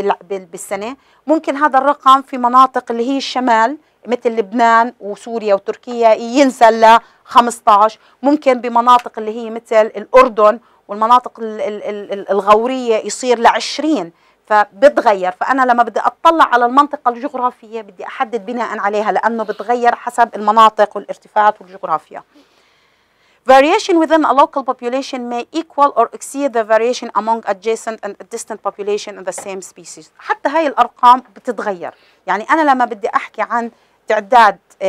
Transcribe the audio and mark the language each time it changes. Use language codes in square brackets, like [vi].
[ar] بالسنة، ممكن هذا الرقم في مناطق اللي هي الشمال مثل لبنان وسوريا وتركيا ينزل ل 15، ممكن بمناطق اللي هي مثل الأردن والمناطق الغورية يصير ل 20، فبتغير. فأنا لما بدي أطلع على المنطقة الجغرافية بدي أحدد بناء عليها، لأنه بتغير حسب المناطق والارتفاعات والجغرافيا. [en] Variation within a local population may equal or exceed the variation among adjacent and distant population in the same species. [ar] حتى هاي الأرقام بتتغير. يعني أنا لما بدي أحكي عن تعداد